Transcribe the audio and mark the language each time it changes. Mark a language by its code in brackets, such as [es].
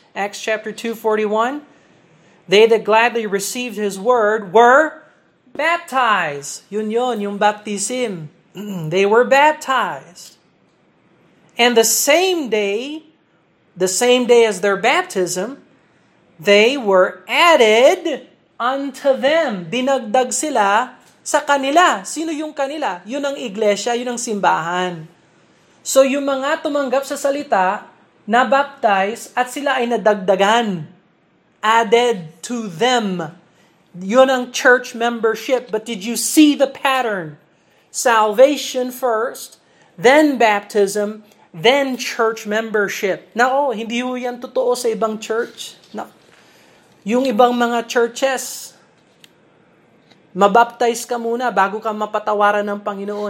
[en] Acts chapter 2:41. They that gladly received his word were baptized. [tl] Yun yon, yung baptism. [en] They were baptized. And the same day as their baptism, they were added unto them. [tl] Dinagdag sila sa kanila. Sino yung kanila? Yun ang iglesia, yun ang simbahan. So yung mga tumanggap sa salita, na-baptize, at sila ay nadagdagan. [en] Added to them. [tl] Yun ang [en] church membership. But did you see the pattern? Salvation first, then baptism, then church membership. [tl] Now, oh, hindi ho yan totoo sa ibang church. No. Yung ibang mga churches, mabaptize ka muna bago ka mapatawaran ng Panginoon.